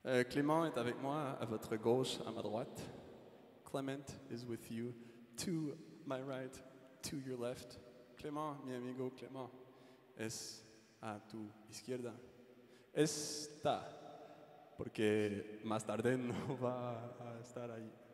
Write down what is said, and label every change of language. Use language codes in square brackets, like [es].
[fr] Clément est avec moi à votre gauche, à ma droite. [en] Clément is with you to my right, to your left. [es] Clément, mi amigo Clément, es a tu izquierda. Está, porque más tarde no va a estar ahí.